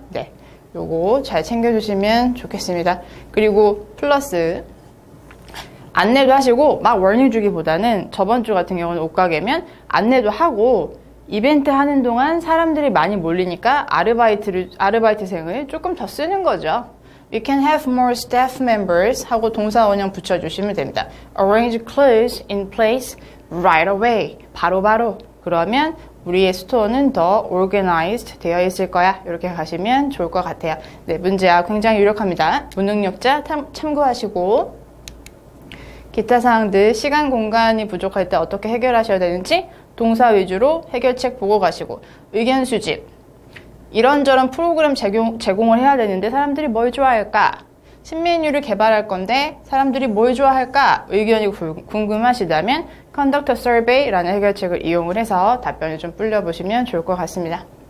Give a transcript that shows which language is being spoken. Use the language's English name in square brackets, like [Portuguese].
[Korean] 네, 요거 잘 챙겨주시면 좋겠습니다. 그리고 플러스 안내도 하시고 막 워닝 주기보다는 저번 주 같은 경우는 옷가게면 안내도 하고 이벤트 하는 동안 사람들이 많이 몰리니까 아르바이트생을 조금 더 쓰는 거죠. [English] We can have more staff members [Korean] 하고 동사 원형 붙여주시면 됩니다. [English] Arrange clothes in place right away. [Korean] 바로바로. 그러면 우리의 스토어는 더 organized 되어 있을 거야. 이렇게 가시면 좋을 것 같아요. 네, 문제야 굉장히 유력합니다. 무능력자 참고하시고 기타 사항들 시간 공간이 부족할 때 어떻게 해결하셔야 되는지 동사 위주로 해결책 보고 가시고 의견 수집 이런저런 프로그램 제공을 해야 되는데 사람들이 뭘 좋아할까 신메뉴를 개발할 건데 사람들이 뭘 좋아할까 의견이 궁금하시다면 컨덕터 서베이라는 해결책을 이용을 해서 답변을 좀 불려보시면 좋을 것 같습니다.